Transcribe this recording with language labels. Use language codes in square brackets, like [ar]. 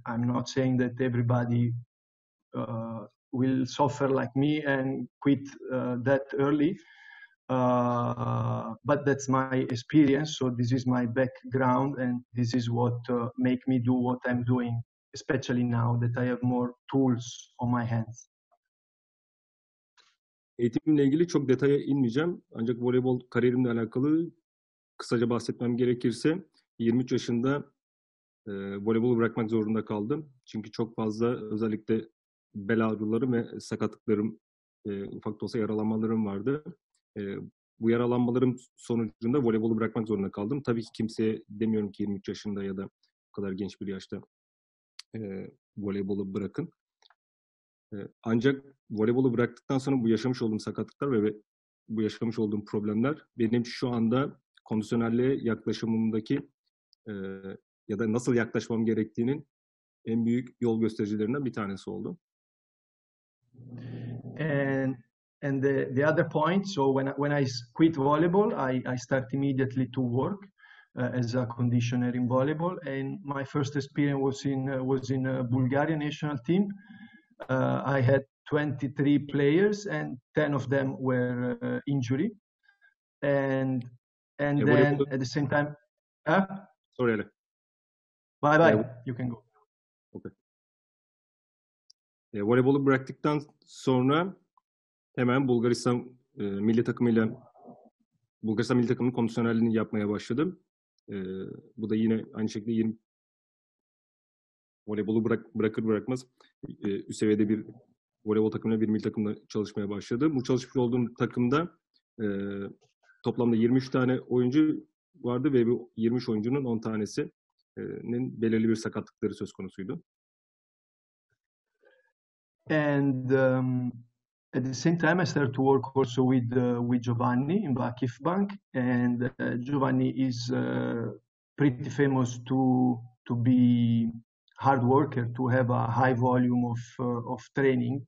[en] I'm not saying that everybody will suffer like me and quit that early. But that's my experience, so this is my background, and this is what make me do what I'm doing, especially now that I have more tools on my hands. [tr] Eğitimle ilgili çok detaya inmeyeceğim, ancak voleybol kariyerimle alakalı kısaca bahsetmem gerekirse, 23 yaşında voleybolu bırakmak zorunda kaldım. Çünkü çok fazla özellikle bel ağrılarım ve sakatlıklarım, ufak da olsa yaralanmalarım vardı. Bu yaralanmalarım sonucunda voleybolu bırakmak zorunda kaldım. Tabii ki kimseye demiyorum ki 23 yaşında ya da bu kadar genç bir yaşta voleybolu bırakın. Ancak voleybolu bıraktıktan sonra bu yaşamış olduğum sakatlıklar ve bu yaşamış olduğum problemler benim şu anda kondisyonelliğe yaklaşımımdaki ya da nasıl yaklaşmam gerektiğinin en büyük yol göstericilerinden bir tanesi oldu. [en] And the other point, so when I quit volleyball, I start immediately to work as a conditioner in volleyball, and my first experience was in a Bulgarian national team. I had 23 players and 10 of them were injury, and yeah, then at the same time, sorry Ale. Bye bye, you can go. Okay. [tr] Volleyball'u bıraktıktan sonra hemen Bulgaristan milli takımıyla, Bulgaristan milli takımının kondisyonerliğini yapmaya başladım. Bu da yine aynı şekilde voleybolu bırakır bırakmaz üst seviyede bir voleybol takımıyla bir milli takımla çalışmaya başladım. Bu çalışmış olduğum takımda toplamda 23 tane oyuncu vardı ve bu 23 oyuncunun 10 tanesinin belirli bir sakatlıkları söz konusuydu. [en] And at the same time, I started to work also with Giovanni in Bakif Bank, and Giovanni is pretty famous to be hard worker, to have a high volume of training.